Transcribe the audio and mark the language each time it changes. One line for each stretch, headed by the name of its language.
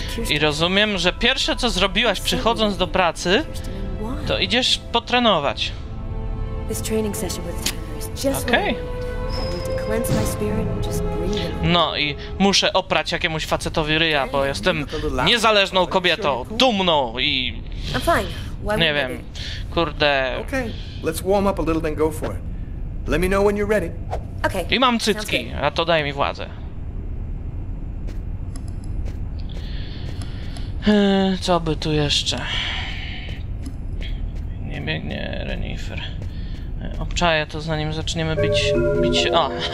Polish: I rozumiem, że pierwsze co zrobiłaś przychodząc do pracy, to idziesz potrenować.
English: This training session with Tyler is just okay. I need to cleanse my spirit and just breathe.
Polish: No i muszę oprać jakiemuś facetowi ryja, bo jestem niezależną kobietą, dumną i
English: I'm fine.
Polish: Nie wiem. Kurde.
English: Okay. Let's warm up a little then go for it. Let me know when you're ready. Okay.
Polish: I mam cycki, a to daj mi władzę. Co by tu jeszcze? Nie biegnie Renifer. Obczaję to, zanim zaczniemy bić się. O!